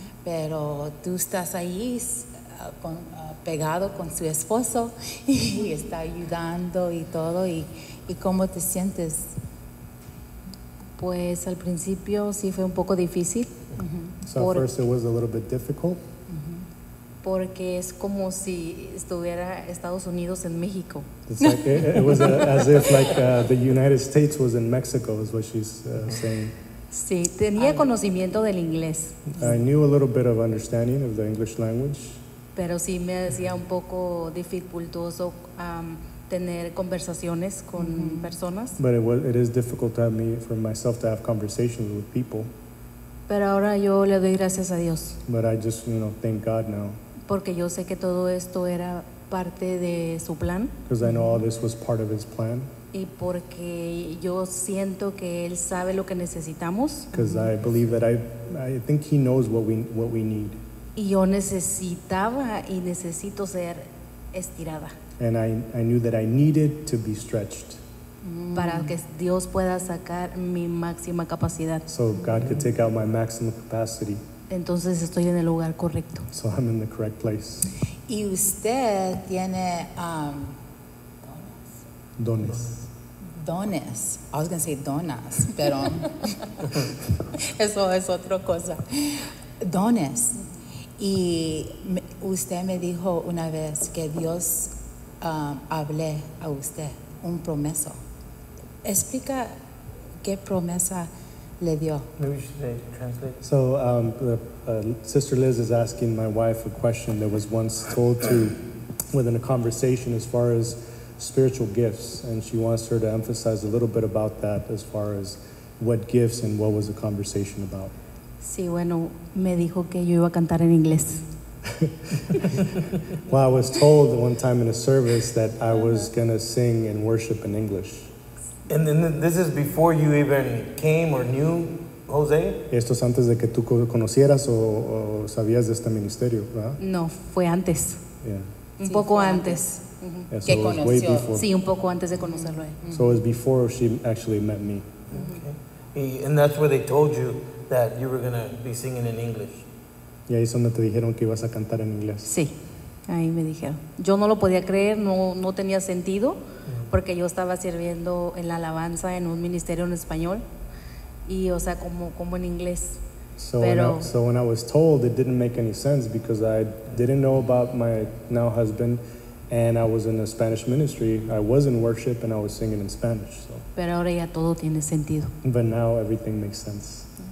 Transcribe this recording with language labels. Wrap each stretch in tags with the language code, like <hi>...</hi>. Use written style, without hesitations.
<es>Pero tú estás ahí pegado con su esposo y está ayudando y todo. ¿Y cómo te sientes? Pues al principio sí fue un poco difícil.</es> <en>Mm-hmm. So at first it was a little bit difficult.</en> <es>Porque es como si estuviera Estados Unidos en México.</es> <en>It's like, it was as if like the United States was in Mexico, is what she's saying.</en> <es>Sí, tenía conocimiento del inglés.</es> <en>I knew a little bit of understanding of the English language.</en> <es>Pero sí me hacía un poco dificultoso tener conversaciones con personas.</es> <en>But it is difficult for myself to have conversations with people.</en> <es>Pero ahora yo le doy gracias a Dios.</es> <en>But I just, you know, thank God now.</en> <es>Porque yo sé que todo esto era parte de su plan.</es> <en>Because I know all this was part of his plan.</en> <es>Y porque yo siento que él sabe lo que necesitamos.</es> <en>Because I believe that I think he knows what we need.</en> <es>Y yo necesitaba y necesito ser estirada.</es> <en>And I knew that I needed to be stretched.</en> <es>Para que Dios pueda sacar mi máxima capacidad.</es> <en>So God can take out my maximum capacity.</en> <es>Entonces estoy en el lugar correcto.</es> <en>So I'm in the correct place.</en> <es>Y usted tiene dones.</es> <en>I was going to say donas,</en> <es>pero eso es otra cosa.</es> <en>Dones.</en> <es>Y usted me dijo una vez que Dios hablé a usted un promeso. Explica qué promesa le dio.</es> <en>Maybe you should say, translate. So Sister Liz is asking my wife a question that was once told to within a conversation as far as spiritual gifts, and she wants her to emphasize a little bit about that as far as what gifts and what was the conversation about.</en> <es>Sí, bueno, me dijo que yo iba a cantar en inglés.</es> <en>Well, I was told one time in a service that I was going to sing and worship in English. And then this is before you even came or knew Jose?</en> <es>Esto es antes de que tú conocieras o sabías de este ministerio, ¿verdad? No, fue antes.</es> <en>Yeah.</en> <es>Un poco antes. Mm-hmm.</es> <en>Yeah, so</en> <es>que conoció. Sí, un poco antes de conocerlo.</es> <en>Mm-hmm. So it was before she actually met me. Mm-hmm. Okay. And that's where they told you that you were going to be singing in English.</en> <es>Y ahí es donde te dijeron que ibas a cantar en inglés. Sí, ahí me dijeron. Yo no lo podía creer, no tenía sentido, porque yo estaba sirviendo en la alabanza en un ministerio en español, y o sea, como en inglés.</es> <en>So, pero, when I was told, it didn't make any sense, because I didn't know about my now husband, and I was in a Spanish ministry. I was in worship, and I was singing in Spanish. So.</en> <es>Pero ahora ya todo tiene sentido.</es> <en>But now everything makes sense.</en>